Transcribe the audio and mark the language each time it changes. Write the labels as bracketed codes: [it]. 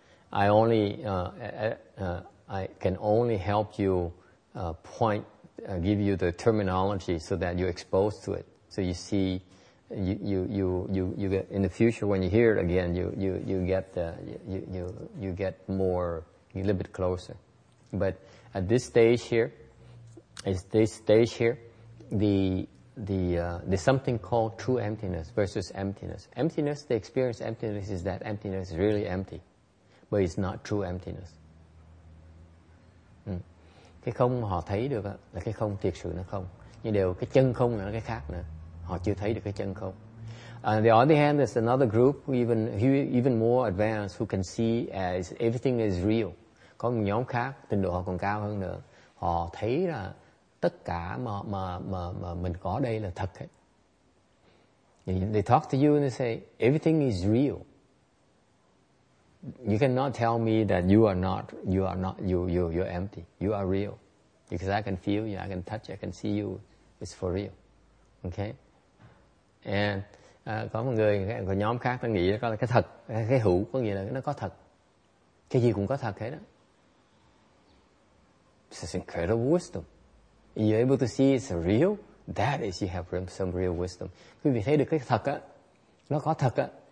[en] I only I can only help you point give you the terminology so that you're exposed to it, so you see you get in the future when you hear it again you get a little bit closer, but at this stage here there's something called true emptiness versus emptiness. The experience emptiness is that emptiness is really empty. But it's not true emptiness. [vi] Cái không họ thấy được đó, là cái không thiệt sự nó không. Nhưng đều cái chân không là cái khác nữa. Họ chưa thấy được cái chân không. [en] On the other hand, there's another group even more advanced who can see as everything is real. [vi] Có một nhóm khác trình độ họ còn cao hơn nữa. Họ thấy là tất cả mà mình có đây là thật hết. [en] They talk to you and they say everything is real. You cannot tell me that you're empty. You are real. Because I can feel you, I can touch you, I can see you. It's for real. Okay? [vi] And có một người, có nhóm khác nghĩ là cái thật, cái hữu có nghĩa là nó có thật. Cái gì cũng có thật hết đó. [en] This is incredible wisdom. You're able to see it's real. That is you have some real wisdom. [vi] Quý vị thấy được cái thật á, nó có thật á.